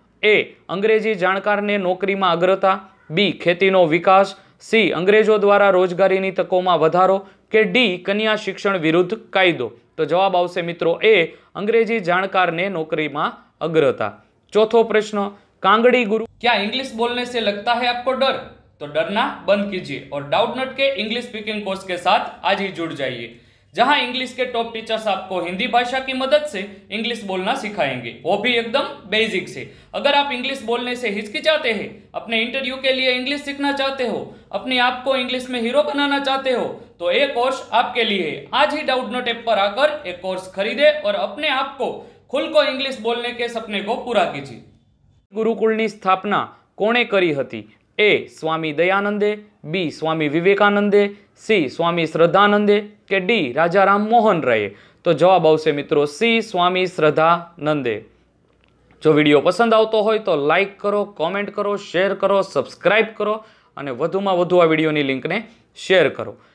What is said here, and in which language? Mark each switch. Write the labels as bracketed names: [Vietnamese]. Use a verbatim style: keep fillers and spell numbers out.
[Gujarati] એ, અંગ્રેજી જાણકારને નોકરીમાં અગ્રતા, બી, ખેતીનો વિકાસ, સી, અંગ્રેજો દ્વારા રોજગારીની તકોમાં વધારો કે ડી, કન્યા શિક્ષણ વિરુદ્ધ કાયદો. તો જવાબ આવશે મિત્રો એ, અંગ્રેજી જાણકારને નોકરીમાં અગ્રતા. ચોથો પ્રશ્ન, [Hindi] કાંગડી ગુરુ ક્યાં ઇંગ્લિશ બોલને સે લગતા હૈ આપકો ડર? तो डरना बंद कीजिए और डाउट नट के इंग्लिश स्पीकिंग कोर्स के साथ आज ही जुड़ जाइए, जहां इंग्लिश के टॉप टीचर्स आपको हिंदी भाषा की मदद से इंग्लिश बोलना सिखाएंगे, वो भी एकदम बेसिक से. अगर आप इंग्लिश बोलने से हिचकिचाते हैं, अपने इंटरव्यू के लिए इंग्लिश सीखना चाहते हो, अपने आप को इंग्लिश में हीरो बनाना चाहते हो, तो ये कोर्स आपके लिए है. आज ही डाउट नट ऐप पर आकर एक कोर्स खरीदे और अपने आप को खुल को इंग्लिश बोलने के सपने को पूरा कीजिए. [Gujarati] गुरुकुल की स्थापना कोने करी हती? એ, સ્વામી દયાનંદે, બી, સ્વામી વિવેકાનંદે, સી, સ્વામી શ્રદ્ધાનંદે કે ડી, રાજા રામ મોહન રાયે. તો જવાબ આવશે મિત્રો સી, સ્વામી શ્રદ્ધાનંદે. જો વિડીયો પસંદ આવતો હોય તો લાઇક કરો, કોમેન્ટ કરો, શેર કરો, સબસ્ક્રાઇબ કરો અને વધુમાં વધુ આ વિડીયોની લિંકને શેર કરો.